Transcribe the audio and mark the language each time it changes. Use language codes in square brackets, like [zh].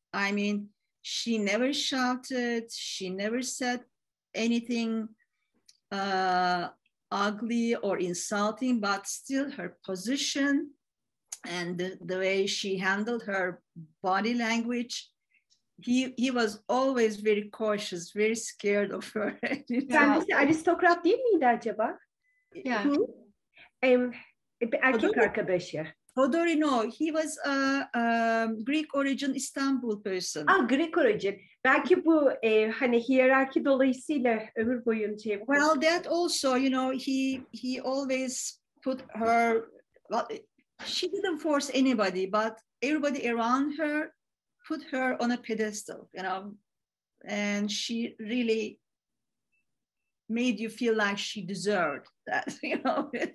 [en] I mean, she never shouted. She never said anything ugly or insulting, but still her position and the way she handled her body language, he was always very cautious, very scared of her. [tr] Kendisi aristokrat değil miydi acaba? [en] Yeah. [tr] Erkek arkadaşı. [en] Hodori, no. He was a Greek origin Istanbul person. Ah, Greek origin. [tr] Belki bu hani hiyerarki dolayısıyla ömür boyunca. [en] Well, that also, you know, he always put her, well, she didn't force anybody, but everybody around her put her on a pedestal, you know, and she really made you feel like she deserved that, you know.